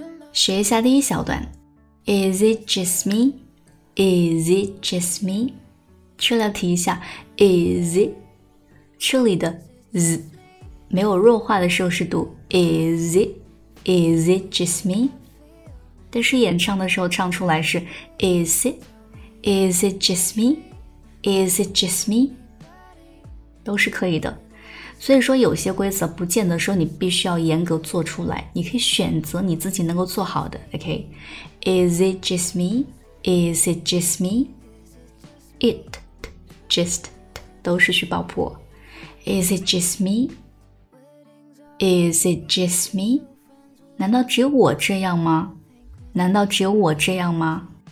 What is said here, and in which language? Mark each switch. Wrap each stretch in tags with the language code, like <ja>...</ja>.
<zh>学一下第一小段</zh> <en>Is it just me? Is it just me?</en> <zh>这里要提一下 Is it 这里的 z 没有弱化的时候是读 Is it?</zh> <en>Is it just me?</en> <zh>但是演唱的时候唱出来是 Is it?</zh> <en>Is it just me? Is it just me?</en> <zh>都是可以的，所以说有些规则不见得说你必须要严格做出来，你可以选择你自己能够做好的。</zh> <en>OK, Is it just me? Is it just me?</en> <zh>It, t, just, t, 都是去爆破。</zh> <en>Is it just me? Is it just me?</en> <zh>难道只有我这样吗？难道只有我这样吗？</zh>